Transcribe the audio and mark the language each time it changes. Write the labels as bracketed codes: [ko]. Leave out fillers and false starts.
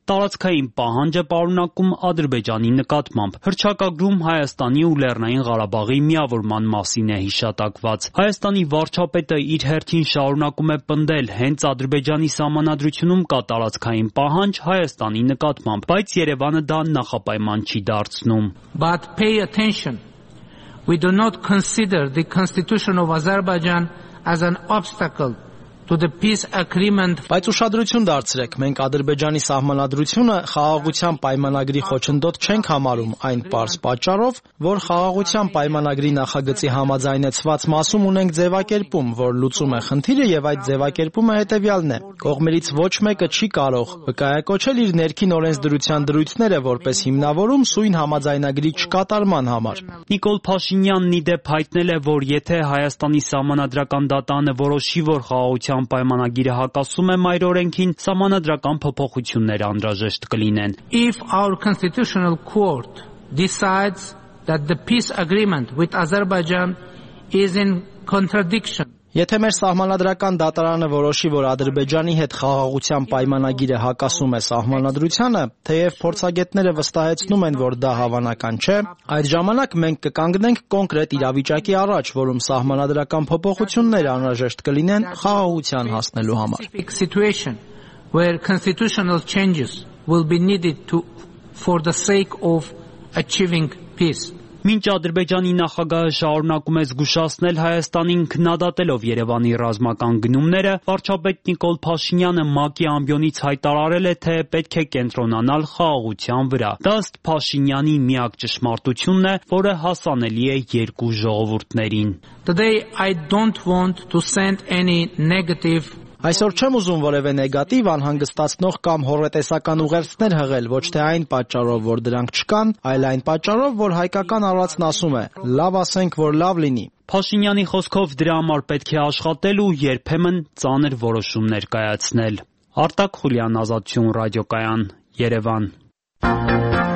[hy] տարածքային պահանջ է պարունակում Ադրբեջանի նկատմամբ։ Հռչակագրում Հայաստանի ու Լեռնային Ղարաբաղի միավորման մասին է հիշատակված։ Հայաստանի վարչապետը իր հերթին շարունակում է պնդել հենց Ադրբեջանի սահմանադրությունում կա տարածքային պահանջ Հայաստանի նկատմամբ։ ստեղծմամբ, բայց Երևանը դա նախապայման չի դարձնում։ [en] But pay attention. We do not consider the constitution of Azerbaijan as an obstacle to the peace agreement. [hy] Բայց ուշադրություն դարձրեք, մենք Ադրբեջանի սահմանադրությունը խաղաղության պայմանագրի խոչընդոտ չենք համարում, այն պարզ պատճառով, որ խաղաղության պայմանագրի նախագծի համաձայնեցված մասում ունենք ձևակերպում, որ լուծում է խնդիրը, եւ այդ ձևակերպումը հետեւյալն է. կողմերից ոչ մեկը չի կարող վկայակոչել իր ներքին օրենսդրության դրույթները որպես հիմնավորում սույն համաձայնագրի չկատարման համար։ Նիկոլ Փաշինյանն ի դեպ հայտնել է, որ եթե Հայաստանի սահմանադրական դատանը որոշի, որ Ուտիան պայմանագիրը հակասում է մայր օրենքին, սահմանադրական փոփոխություններ անհրաժեշտ կլինեն։ [en] If our constitutional court decides that the peace agreement with Azerbaijan is in contradiction. [hy] Եթե մեր սահմանադրական դատարանը որոշի, որ Ադրբեջանի հետ խաղաղության պայմանագիրը հակասում է սահմանադրությանը, թեև փորձագետները վստահեցնում են, որ դա հավանական չէ, այդ ժամանակ մենք կկանգնենք կոնկրետ իրավիճակի առաջ, որում սահմանադրական փոփոխություններ անհրաժեշտ կլինեն խաղաղության հասնելու համար. [en] Where constitutional changes will be needed to for the sake of achieving peace. [hy] Մինչ Ադրբեջանի նախագահը շարունակում է զգուշացնել Հայաստանին քննադատելով Երևանի ռազմական գնումները, վարչապետ Նիկոլ Փաշինյանը ՄԱԿ-ի ամբիոնից հայտարարել է, թե պետք է կենտրոնանալ խաղաղության վրա։ Դա ըստ Փաշինյանի միակ ճշմարտությունն է, որը հասանելի է երկու ժողովուրդներին։ [en] Today I don't want to send any negative. [hy] Այսօր չեմ ուզում որևէ նեգատիվ անհանգստացնող կամ հորետեսական ուղերձներ հղել, ոչ թե այն պատճառով, որ դրանք չկան, այլ այն պատճառով, որ հայկական առածն ասում է. «Լավ ասենք, որ լավ լինի»։ Փաշինյանի խոսքով դրա համար պետք է աշխատել ու երբեմն ծանր որոշումներ կայացնել։ Արտակ Խուլյան, Ազատություն ռադիոկայան, Երևան։